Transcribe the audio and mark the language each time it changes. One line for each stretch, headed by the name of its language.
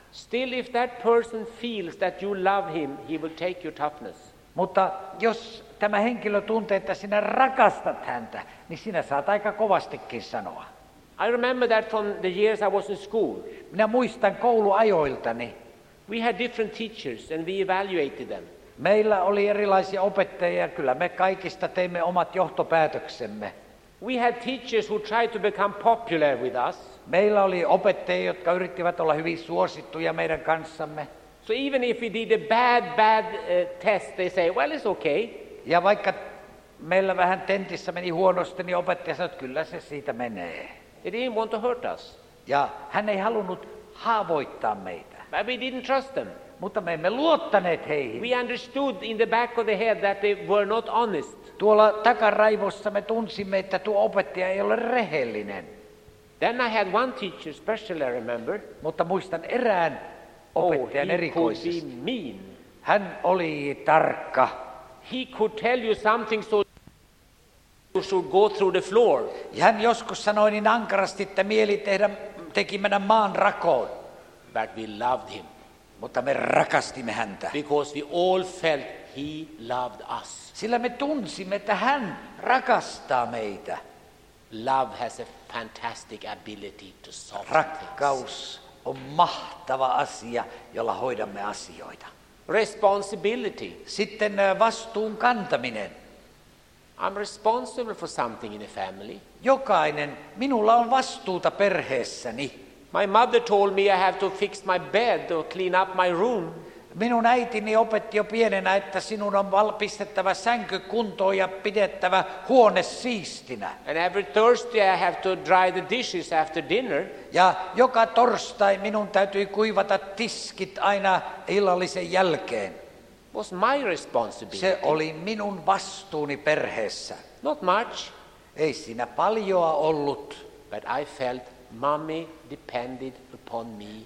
English: Still, if that person feels that you love him, he will take your toughness.
Finnish: Mutta jos tämä henkilö tuntee, että sinä rakastat häntä, niin sinä saat aika kovastikin sanoa.
English: I remember that from the years I was in school.
Finnish: Minä muistan kouluajoiltani.
English: We had different teachers and we evaluated them.
Finnish: Meillä oli erilaisia opettajia, kyllä me kaikista teimme omat johtopäätöksemme.
English: We had teachers who tried to become popular with us.
Finnish: Meillä oli opettajia, jotka yrittivät olla hyvin suosittuja meidän kanssamme.
English: So even if we did a bad test, they say, well, it's okay.
Finnish: Ja vaikka meillä vähän tentissä meni huonosti, niin opettaja sanoi, että kyllä se siitä menee.
English: He didn't want to hurt us.
Finnish: Ja hän ei halunnut haavoittaa meitä.
English: But we didn't trust them.
Finnish: Mutta me emme luottaneet heihin.
English: We understood in the back of the head that they were not honest.
Finnish: Tuolla takaraivossa me tunsimme, että tuo opettaja ei ole rehellinen.
English: Then I had one teacher especially, I remember.
Finnish: Mutta muistan erään opettajan erikoisesti.
English: He could be mean.
Finnish: Hän oli tarkka.
English: He could tell you something so you should go through the floor.
Finnish: Ja hän joskus sanoi niin ankarasti, että mieli teki mennä maan rakoon.
English: But we loved him.
Finnish: Mutta me rakastimme häntä.
English: Because we all felt he loved us.
Finnish: Sillä me tunsimme, että hän rakastaa meitä.
English: Love has a fantastic ability to solve.
Finnish: Rakkaus on mahtava asia, jolla hoidamme asioita.
English: Responsibility.
Finnish: Sitten vastuun kantaminen.
English: I'm responsible for something in a family.
Finnish: Jokainen, minulla on vastuuta perheessäni.
English: My mother told me I have to fix my bed or clean up my room.
Finnish: Minun äitini opetti jo pienenä, että sinun on pistettävä sänky kuntoon ja pidettävä huone siistinä.
English: And every Thursday I have to dry the dishes after dinner.
Finnish: Ja joka torstai minun täytyy kuivata tiskit aina illallisen jälkeen.
English: Was my responsibility.
Finnish: Se oli minun vastuuni perheessä.
English: Not much.
Finnish: Ei siinä paljoa ollut.
English: But I felt Mommy depended upon me.